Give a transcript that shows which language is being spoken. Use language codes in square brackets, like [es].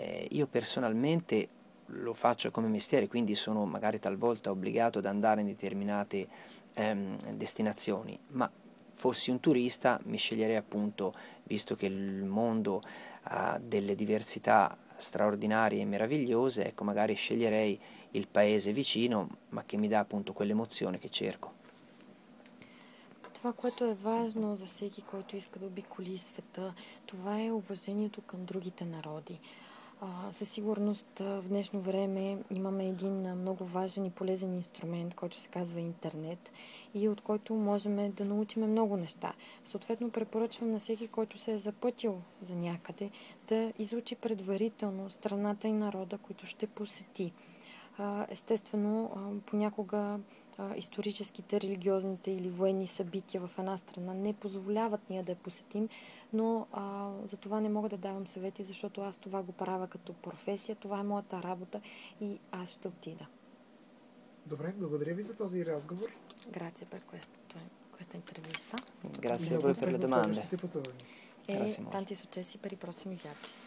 [it] Io personalmente lo faccio come mestiere, quindi sono magari talvolta obbligato ad andare in determinate destinazioni, ma fossi un turista mi sceglierei appunto, visto che il mondo ha delle diversità straordinarie e meravigliose, ecco, magari sceglierei il paese vicino, ma che mi dà appunto quell'emozione che cerco. [bg] Това, което е важно за всеки, който иска да обиколи света, това е уважението към другите народи. Със сигурност в днешно време имаме един много важен и полезен инструмент, който се казва интернет и от който можем да научим много неща. Съответно, препоръчвам на всеки, който се е запътил за някъде, да изучи предварително страната и народа, които ще посети. Естествено, понякога историческите, религиозните или военни събития в една страна не позволяват ние да я посетим, но за това не мога да давам съвети, защото аз това го правя като професия, това е моята работа и аз ще отида. Добре, благодаря ви за този разговор. [it] Grazie per questa intervista. Grazie a voi per le domande. E tanti successi per i prossimi viaggi.